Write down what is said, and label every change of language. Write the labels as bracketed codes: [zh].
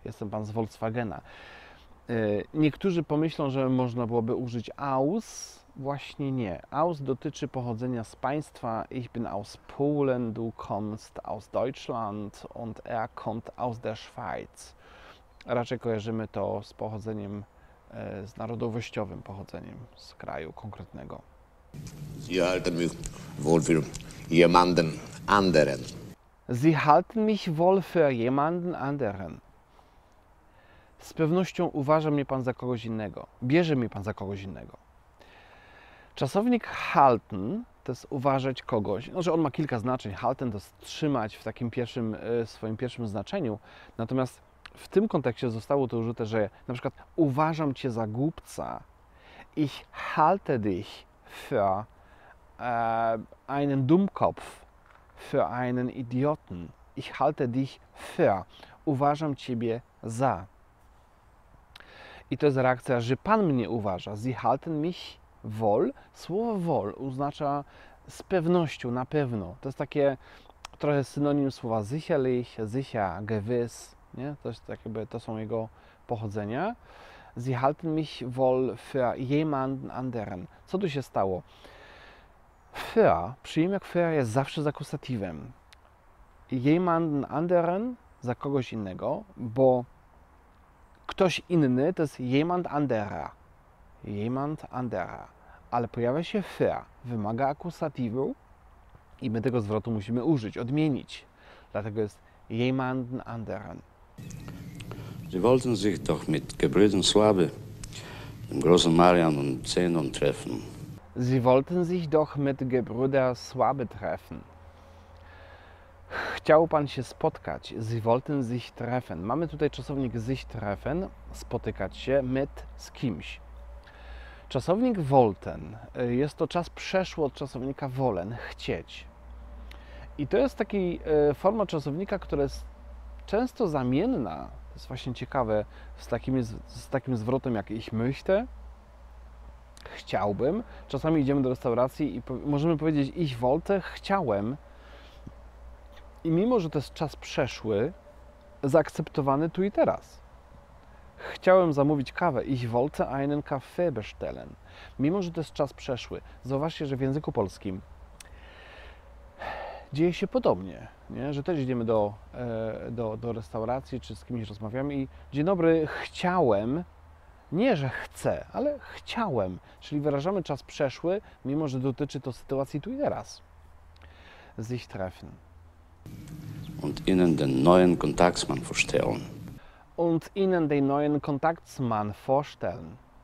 [pl] Jestem pan z Volkswagena. Niektórzy pomyślą, że można byłoby użyć aus. Właśnie nie. Aus dotyczy pochodzenia z państwa. [de] Ich bin aus Polen, du kommst aus Deutschland und er kommt aus der Schweiz. [pl] Raczej kojarzymy to z pochodzeniem, z narodowościowym pochodzeniem, z kraju konkretnego. [de] Sie halten mich wohl für jemanden anderen. Sie halten mich wohl für jemanden anderen. [pl] Z pewnością uważa mnie pan za kogoś innego. Bierze mnie pan za kogoś innego. Czasownik halten to jest uważać kogoś. No, że on ma kilka znaczeń. Halten to jest trzymać w takim pierwszym, swoim pierwszym znaczeniu. Natomiast w tym kontekście zostało to użyte, że na przykład uważam cię za głupca. [de] Ich halte dich für einen Dummkopf. Für einen Idioten. Ich halte dich für. [pl] Uważam ciebie za. I to jest reakcja, że pan mnie uważa. [de] Sie halten mich wohl. [pl] Słowo wohl oznacza z pewnością, na pewno. To jest takie trochę synonim słowa sicherlich, sicher, gewiss. Nie? To jest tak jakby, to są jego pochodzenia. [de] Sie halten mich wohl für jemanden anderen. [pl] Co tu się stało? Für, przyjmek für jest zawsze z akusatywem. [de] Jemanden anderen, [pl] za kogoś innego, bo ktoś inny to jest [de] jemand anderer. [pl] jemand andera. Ale pojawia się für, wymaga akusatywu i my tego zwrotu musimy użyć, odmienić. Dlatego jest [de] jemanden anderen. Sie wollten sich doch mit Gebrüdern Schwabe, dem großen Marian und Zenon treffen. Sie wollten sich doch mit Gebrüder Schwabe treffen. [pl] Chciał pan się spotkać. [de] Sie wollten sich treffen. [pl] Mamy tutaj czasownik [de] sich treffen, [pl] spotykać się, mit, z kimś. Czasownik wollten jest to czas przeszły od czasownika wollen, chcieć. I to jest taka forma czasownika, która jest często zamienna, to jest właśnie ciekawe, z takim zwrotem jak [de] ich möchte, [pl] chciałbym. Czasami idziemy do restauracji i możemy powiedzieć [de] ich wollte, [pl] chciałem. I mimo, że to jest czas przeszły, zaakceptowany tu i teraz. Chciałem zamówić kawę. [de] Ich wollte einen Kaffee bestellen. [pl] Mimo, że to jest czas przeszły. Zauważcie, że w języku polskim dzieje się podobnie, nie? Że też idziemy do restauracji czy z kimś rozmawiamy i dzień dobry, chciałem, nie że chcę, ale chciałem. Czyli wyrażamy czas przeszły, mimo że dotyczy to sytuacji tu i teraz. [de] Sich treffen. Und Ihnen den neuen Kontaktmann vorstellen. Und Ihnen den neuen Kontaktmann vorstellen.